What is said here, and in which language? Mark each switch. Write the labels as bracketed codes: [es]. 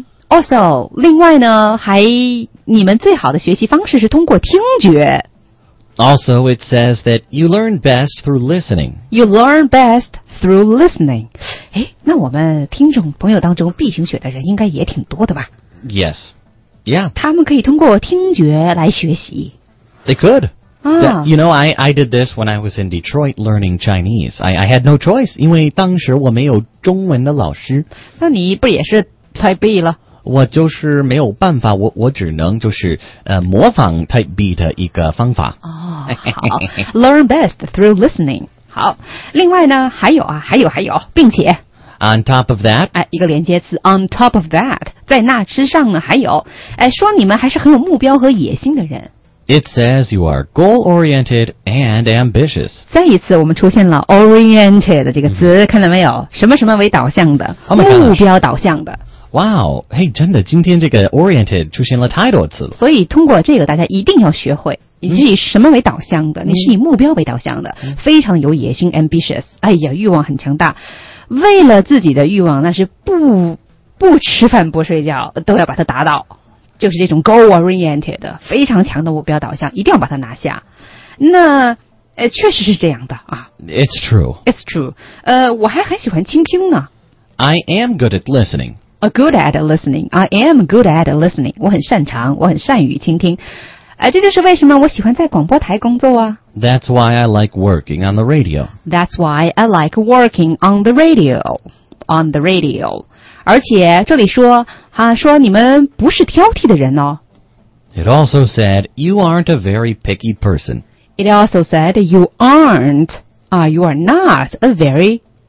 [zh] Also， 另外呢，还你们最好的学习方式是通过听觉。 [en] Also, it says that you learn best through listening. You learn best through listening. [zh] 哎，那我们听众朋友当中 B 型血的人应该也挺多的吧 [en] ？Yes. Yeah. [zh] 他们可以通过听觉来学习。 [en] They could. You know, I did this when I was in Detroit learning Chinese. I had no choice, [zh] 因为当时我没有中文的老师。那你不也是 Type B 了？我就是没有办法，我只能就是模仿 Type B 的一个方法。 [en] 好，Learn best through listening. [zh] 好，另外呢，还有啊，还有，并且。 [en] On top of that. [zh] 哎，一个连接词 ， [en] On top of that， [zh] 在那之上呢，还有，哎，说你们还是很有目标和野心的人。 [en] It says you are goal-oriented and ambitious. [zh] 再一次，我们出现了 oriented 这个词，看到没有？什么什么为导向的，目标导向的。 Wow, hey, 真的，今天这个 oriented 出现了太多次了。所以通过这个，大家一定要学会，你是以什么为导向的？你是以目标为导向的，非常有野心 ，ambitious。哎呀，欲望很强大，为了自己的欲望，那是不吃饭不睡觉都要把它达到。就是这种 goal oriented 非常强的目标导向，一定要把它拿下。那确实是这样的啊。 [en] It's true. It's true. [zh] 我还很喜欢倾听呢。 [en] I am good at listening. A good at listening. I am good at listening. [zh] 我很擅长，我很善于倾听。这就是为什么我喜欢在广播台工作啊。 [en] That's why I like working on the radio. That's why I like working on the radio. On the radio. [zh] 而且这里说啊，说你们不是挑剔的人哦。 [en] It also said you aren't a very picky person. It also said you aren't, you are not a very